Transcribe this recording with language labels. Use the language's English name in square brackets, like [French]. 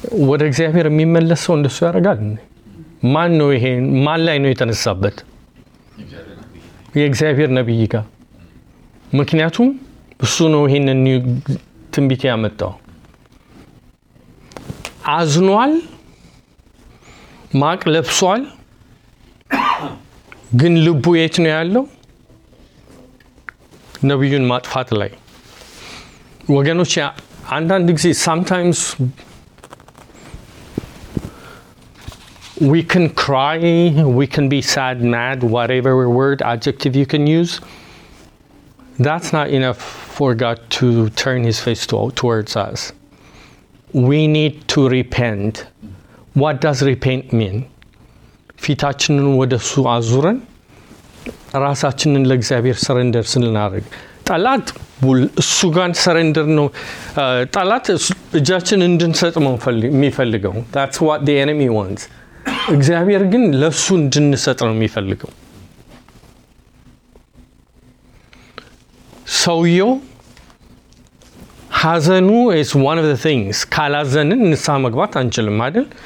[Amharic] ወደ እግዚአብሔር የሚመለሰው እንደሱ ያደርጋል ማን ነው ይሄን ማን ላይ ነው የተነሳበት የእግዚአብሔር ነብይ ጋ ምክንያቱም እሱ ነው ይሄንን ትንቢት ያመጣው አዝኗል ማቅ ለብሷል ግን ልቡ የት ነው ያለው ነብዩን ማጥፋት ላይ ወገኖች አንዳንድ ጊዜ [English] sometimes we can cry, we can be sad, mad, whatever word, adjective you can use. That's not enough for God to turn his face towards us. We need to repent. What does repent mean? [Amharic] ፊታችንን ወደ እሱ አዙረን ራሳችንን ለእግዚአብሔር ሰረንደር ስንናረግ ጣላት እሱ ጋር ሰረንደር ነው ጣላት እጃችን እንድንሰጥ የሚፈልገው [English] That's what the enemy wants. [Amharic] እግዚአብሔር ግን ለሱ እንድንሰጥ ነው የሚፈልገው. ሰውዮ ሐዘኑ [English] is one of the things. [Amharic] ካላዘንን ንስሐ መግባት አንችልም አይደል?